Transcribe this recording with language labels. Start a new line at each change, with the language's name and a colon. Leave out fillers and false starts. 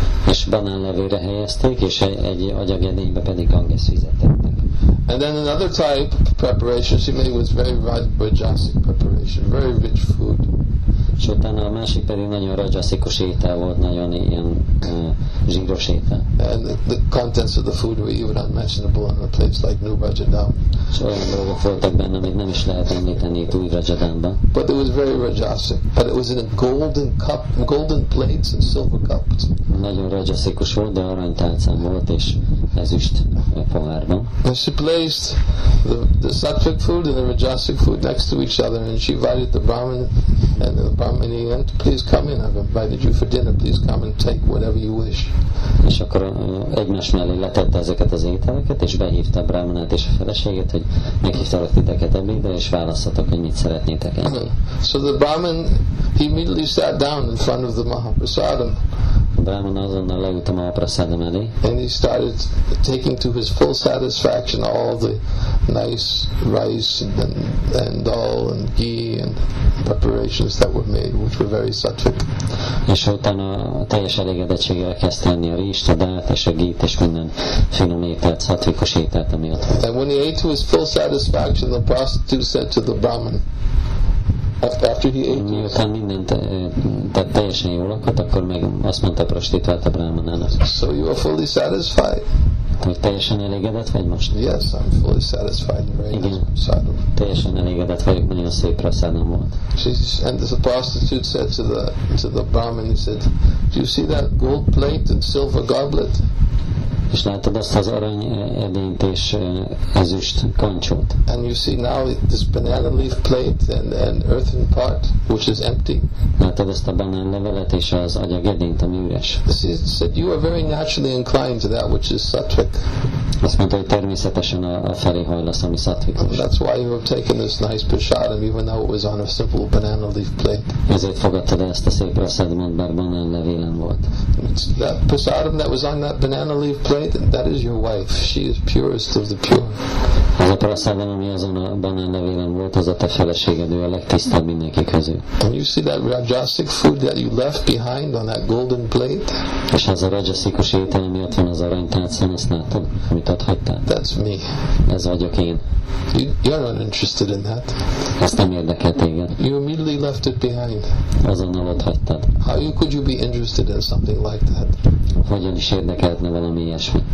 Hungarian: És banánlevére helyezték, és egy agyagedénybe pedig Ganges vizet tettek.
English: And then another type of preparation she made was very rajasic preparation, very rich food.
Hungarian: És utána a másik pedig nagyon rajasikus étel volt, nagyon ilyen zsíros étel.
English: And the contents of the food were even unmentionable in a place like New Rajadam.
Hungarian: És olyan dolgok voltak benne, amit nem is lehet említeni itt Új Rajadamban.
English: But it was very rajasic. But it was in a golden cup, golden plates and silver cups.
Hungarian: Nagyon rajasikus volt, de aranytálcán volt, és ezüst pohárban.
English: And she placed the sattvic food and the rajasic food next to each other, and she invited the Brahmin and the Brahmini in, please come in, I've invited you for dinner, please come and take whatever you wish.
Hungarian: És akkor egymás mellé letette ezeket az ételeket, és behívta a Brahmanát és a feleséget, hogy meghívtalak titeket ebédre, és választhatok, hogy mit szeretnétek enni.
English: So the Brahmin, he immediately sat down in front of the Mahaprasadam.
Hungarian: Brahman azonnal leült a Mahaprasadam elé.
English: And he started taking to his full satisfaction all the nice rice and dal and ghee and preparations that were made, which were very sattvic.
Hungarian: És utána teljes elégedettséggel kezdte enni a rizst, a dalt és a ghee-t és minden finom ételt, sattvikus ételt, ami ott volt.
English: And when he ate to his full satisfaction, the prostitute said to the Brahman, after he ate,
Hungarian: miután mindent tett teljesen jól lakott, akkor meg azt mondta a prostituált a Brahmanának.
English: So you are fully satisfied.
Hungarian: Hogy teljesen elégedett vagy most?
English: Yes, I'm fully satisfied.
Hungarian: Igen, teljesen elégedett vagyok, nagyon szép prasadam volt.
English: And the prostitute said to the Brahmin, he said, do you see that gold plate and silver goblet?
Hungarian: És látod azt az arany edényt és ezüst kancsót.
English: And you see now this banana leaf plate and earthen pot which is empty.
Hungarian: Látod ezt a banán levelet és az agyag edényt, ami üres.
English: He said you are very naturally inclined to that which is sattvic.
Hungarian: Azt mondta, hogy természetesen a felé hajlasz, ami sattvikus.
English: That's why you have taken this nice prasadam even though it was on a simple banana leaf plate.
Hungarian: Ezért fogadtad ezt a szép prasadamot, bár banán levélen volt.
English: That prasadam that was on that banana leaf plate, that is your wife. She is purest of the pure.
Hungarian: Az a prasadam, ami azon a banán levélen volt, az a te feleséged, ő a legtisztább mindenki közül.
English: And you see that rajasic food that you left behind on that golden plate?
Hungarian: És az a rajasikus étel, ami ott van az aranytálcán, azt látod, amit ott hagytál?
English: That's me.
Hungarian: Ez vagyok én.
English: You're not interested in that.
Hungarian: Ezt nem érdekel téged.
English: You immediately left it behind.
Hungarian: Azonnal ott hagytad.
English: How could you be interested in something like that?
Hungarian: Hogyan is érdekelne valami ilyesmi?